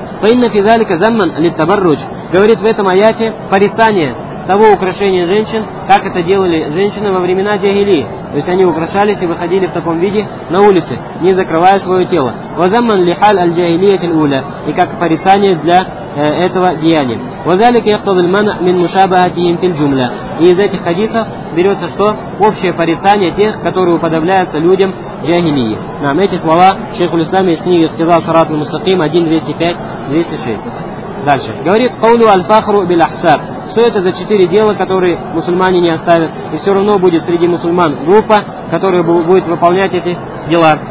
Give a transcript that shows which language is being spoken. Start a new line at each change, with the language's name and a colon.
Arabic: Фаинна фидалика замман лит табаррудж.
Russian: Говорит в этом аяте порицание того украшения женщин, как это делали женщины во времена джахилии. То есть они украшались и выходили в таком виде на улице, не закрывая свое тело.
Arabic: Вазамман лихаль аль джахилиятель уля.
Russian: И как порицание для этого деяния.
Arabic: وَذَلِكَ يَقْتَضِ الْمَنَعْ مِنْ مُشَابَهَتِهِمْ فِي الْجُمْلَةِ.
Russian: И из этих хадисов берется что? Общее порицание тех, которые уподобляются людям джахилии. Нам эти слова шейху ль-Ислам из книги «Иқтида сарат аль-мустаким» 1.205.206. Дальше. Говорит
Arabic: «Каулю аль-фахру бил-ахсаб».
Russian: Что это за четыре дела, которые мусульмане не оставят? И все равно будет среди мусульман группа, которая будет выполнять эти дела.